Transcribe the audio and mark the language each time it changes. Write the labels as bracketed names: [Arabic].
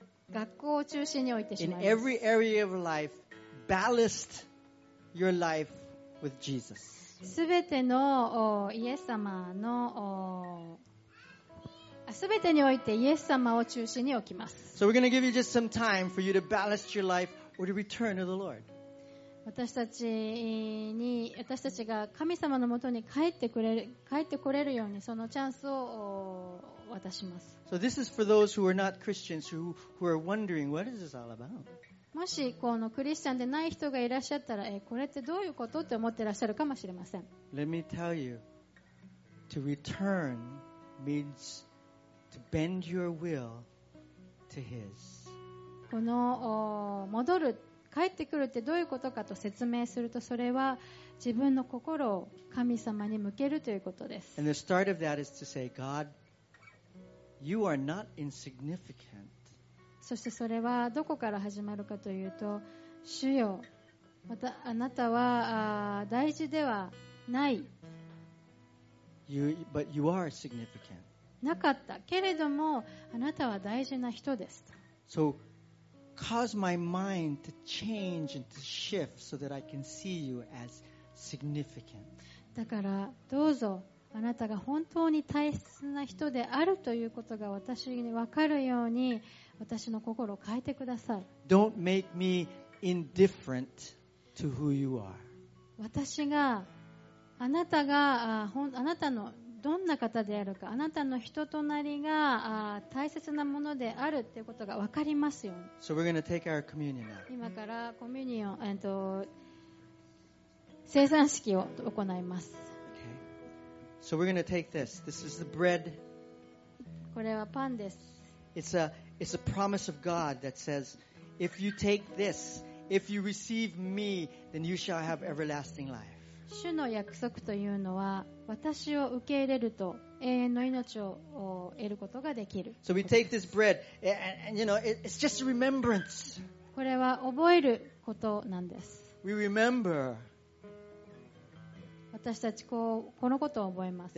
[Japanese] 学校を中心に置いてしまいます。 [English] In every area of life, ballast your life with Jesus. [Japanese] すべてのイエス様のすべてにおいてイエス様を中心に置きます。 [English] So we're going to give you just some time for you to ballast your life or to return to the Lord. [Japanese] 私たちが神様のもとに帰ってこれるようにそのチャンスを渡します。 [English] So this is for those who are not Christians who are wondering what is this all about? [Japanese] もしこのクリスチャンでない人がいらっしゃったら、これってどういうことって思ってらっしゃるかもしれません。 [English] Let me tell you, to return means to bend your will to His. [Japanese] この戻る、帰ってくるってどういうことかと説明すると、それは自分の心を神様に向けるということです。 [English] And the start of that is to say, God. You are not insignificant. [Japanese] そしてそれはどこから始まるかというと、主よ、またあなたは大事ではない。 [English] But you are significant. [Japanese] なかったけれどもあなたは大事な人です。 [English] So cause my mind to change and to shift so that I can see you as significant. [Japanese] だからどうぞあなたが本当に大切な人であるということが私に分かるように私の心を変えてください。 [English] Don't make me indifferent to who you are. [Japanese] 私があなたがあなたのどんな方であるか、あなたの人となりが大切なものであるということが分かりますように。 [English] So we're going to take our communion now. 今からコミュニオン、聖餐式を行います。 So we're going to take this. This is the bread. [Japanese] これはパンです。 [English] It's a promise of God that says, if you take this, if you receive me, then you shall have everlasting life. [Japanese] 主の約束というのは、私を受け入れると永遠の命を得ることができる。 [English] So we take this bread, and you know, it's just a remembrance. [Japanese] これは覚えることなんです。 [English] We remember. [Japanese] 私たちこうこのことを覚えます。